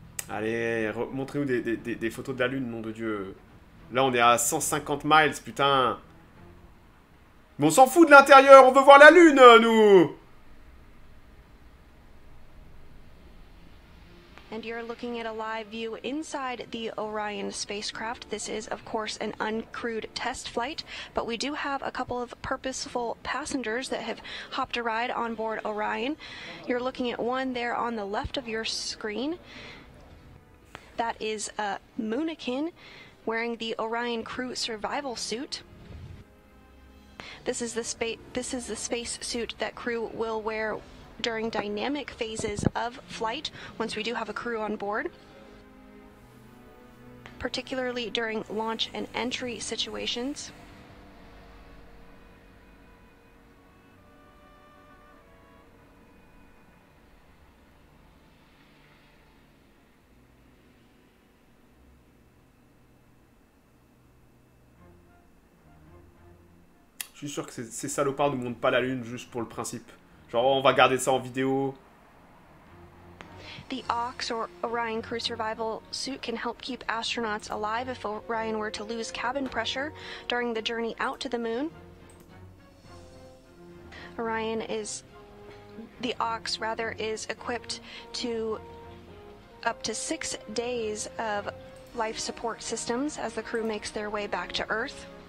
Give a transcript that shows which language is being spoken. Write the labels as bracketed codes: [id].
[fr] Allez, montrez-nous des photos de la Lune, nom de Dieu. Là, on est à 150 miles, putain. Mais on s'en fout de l'intérieur, on veut voir la Lune, nous. [en] And you're looking at a live view inside the Orion spacecraft. This is, of course, an uncrewed test flight, but we do have a couple of purposeful passengers that have hopped a ride on board Orion. You're looking at one there on the left of your screen. That is a Moonikin wearing the Orion crew survival suit. This is the space suit that crew will wear during dynamic phases of flight once we do have a crew on board. particularly during launch and entry situations. [fr] Je suis sûr que ces salopards ne montent pas la lune juste pour le principe. Genre, on va garder ça en vidéo. [en] The Ox or Orion crew survival suit can help keep astronauts alive if Orion were to lose cabin pressure during the journey out to the moon. Orion is the Ox rather is equipped to up to 6 days of life support systems as the crew makes their way back to Earth.